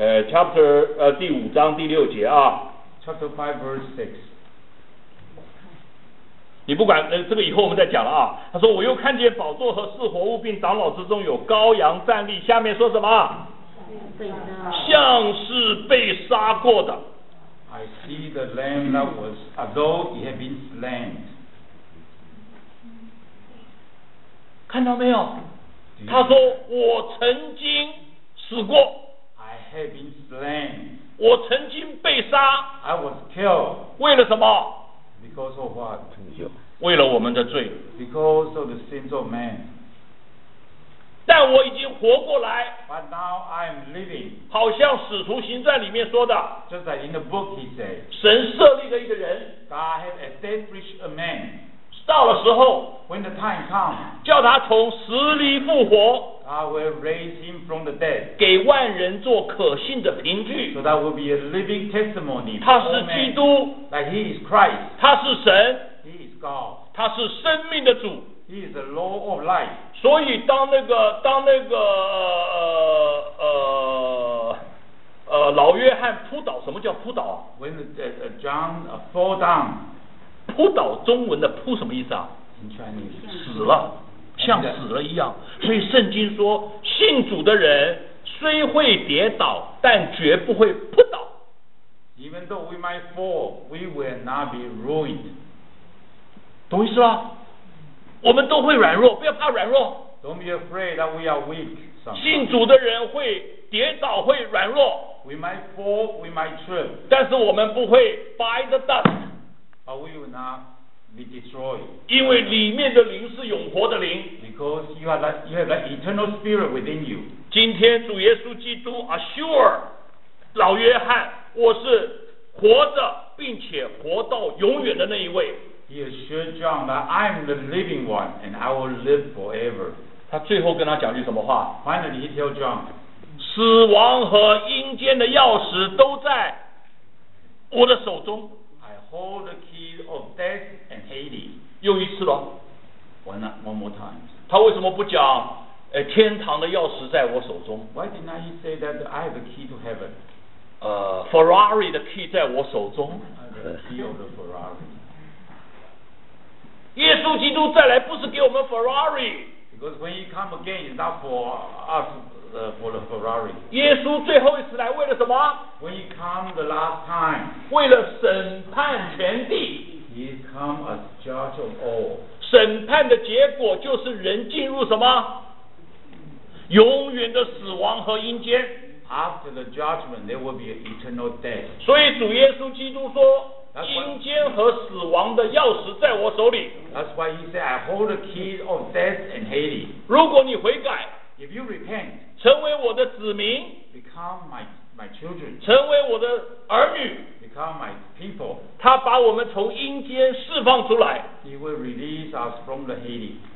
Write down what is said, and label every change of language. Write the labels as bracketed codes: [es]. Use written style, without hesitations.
[zh] chapter 第五章第六节啊。 [en] Chapter five verse six。 [zh] 你不管这个以后我们再讲了啊。他说，我又看见宝座和四活物并长老之中有羔羊站立，下面说什么？像是被杀过的。 [en] I see the lamb that was as though he had been slain。 [zh] 看到没有，他说我曾经死过。 [en] I had been slain。 [zh] 我曾经被杀。 [en] I was killed。 [zh] 为了什么？ [en] Because of what？ [zh] 为了我们的罪。 [en] Because of the sins of man。 [zh] 但我已经活过来。 [en] But now I am living。 [zh] 好像使徒行传里面说的。 [en] Just like in the book he said。 [zh] 神设立了一个人。 [en] God has established a man。 [zh] 到了时候。 [en] When the time comes。 [zh] 叫他从死里复活。 [en] God will raise him from the dead。 [zh] 给万人做可信的凭据。 [en] So that will be a living testimony。 [zh] 他是基督。 [en] Like he is Christ。 [zh] 他是神。 [en] God， [zh] 他是生命的主。 [en] He is the Lord of life。 [zh] 所以当那个老约翰扑倒，什么叫扑倒啊 [en] ？When John fall down， [zh] 扑倒中文的扑什么意思啊 [en] ？In Chinese， [zh] 死了。像死了一样。所以圣经说，信主的人虽会跌倒，但绝不会扑倒。 [en] Even though we might fall, we will not be ruined. [zh] 懂意思吗？我们都会软弱，不要怕软弱。 [en] Don't be afraid that we are weak.、Sometimes. [zh] 信主的人会跌倒，会软弱。 [en] We might fall, we might trip. [zh] 但是我们不会 [en] by the dust. But we will not be destroyed. [zh] 因为里面的灵是永活的灵。 [en] Because you have an eternal spirit within you. [zh] 今天主耶稣基督 assure 老约翰，我是活着并且活到永远的那一位。 [en] He assured John that I'm the living one and I will live forever. [zh] 他最后跟他讲句什么话？ [en] Finally, he told John, [zh] 死亡和阴间的钥匙都在我的手中。 [en] I hold the keys of death and Hades. [zh] 又一次了。 [en] One more time. [zh] 他为什么不讲，天堂的钥匙在我手中？ [en] Why did not he say that I have the key to heaven? [zh] Ferrari 的 key 在我手中。 [en] I have the key of the Ferrari. [zh] 耶稣基督再来不是给我们 Ferrari. [en] Because when he come again, it's not for us, for the Ferrari. [zh] 耶稣最后一次来为了什么？ [en] When he come the last time, [zh] 为了审判全地。 [en] He come as judge of all. [zh] 审判的结果就是人进入什么？永远的死亡和阴间。 [en] After the judgment, there will be an eternal death. [zh] 所以主耶稣基督说。阴间和死亡的钥匙在我手里。 [en] That's why he said, I hold the keys of death and Hades. [zh] 如果你悔改， [en] if you repent, [zh] 成为我的子民， [en] become my children, [zh] 成为我的儿女， [en] become my people, [zh] 他把我们从阴间释放出来。 [en] He will release us from the Hades.